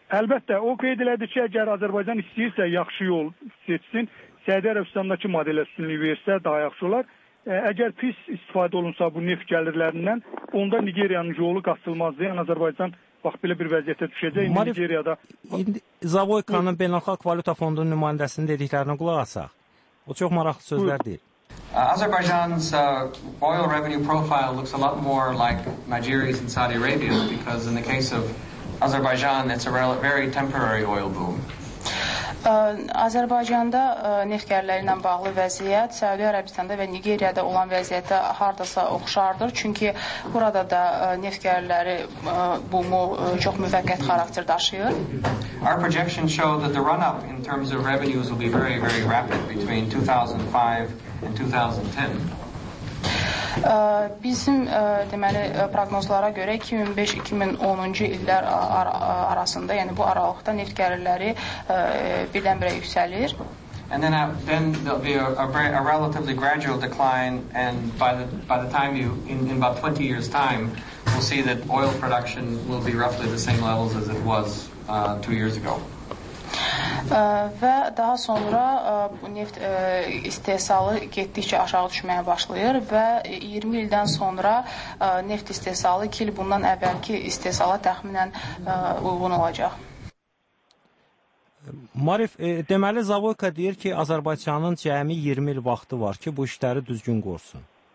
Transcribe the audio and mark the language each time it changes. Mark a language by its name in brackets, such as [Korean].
[Azerbaijani] Əlbəttə, o qeyd elədi ki, əgər Azərbaycan istəyirsə, yaxşı yol seçsin, Səudiyyə Ərəbistandakı modelə üstünlük versə, daha yaxşı olar. Əgər pis istifadə olunsa bu neft gəlirlərindən, onda Nigeriyanın yolu qaçılmazdır, yəni Azərbaycan bax belə bir vəziyyətə düşəcək. Marif, Nigeriyada... İndi Zavoykanın Beynəlxalq Valyuta Fondunun nümayəndəsinin dediklərini qulaq asaq. O çox maraqlı sözlər deyir. [English] Azerbaijan's oil revenue profile looks a lot more like Nigeria's and Saudi Arabia's because in the case of Azerbaijan, it's a very temporary oil boom. [Azerbaijani] Azərbaycanda neft gəlirləri ilə bağlı vəziyyət Səudiyyə Ərəbistanda və Nigeriyada olan vəziyyətə hardasa oxşardır. Çünki burada da neft gəlirləri boomu çox müvəqqət xarakter daşıyır. [English] Our projections show that the run-up in terms of revenues will be very, very rapid between 2005 and 2010. [Azerbaijani] Bizim deməli proqnozlara görə 2005-2010-cu illər arasında, yəni bu aralıqda neft gəlirləri birdən-birə yüksəlir. [English] And then there'll be a relatively gradual decline, and by the time you in about 20 years time, we'll see that oil production will be roughly the same levels as it was 2 years ago. [Azerbaijani] Və daha sonra bu neft istehsalı getdikcə aşağı düşməyə başlayır və 20 ildən sonra neft istehsalı ki, bundan əvvəlki istehsala təxminən uyğun olacaq. Marif, deməli Zavoyka deyir ki, Azərbaycanın cəmi 20 il vaxtı var ki, bu işləri düzgün qorsun.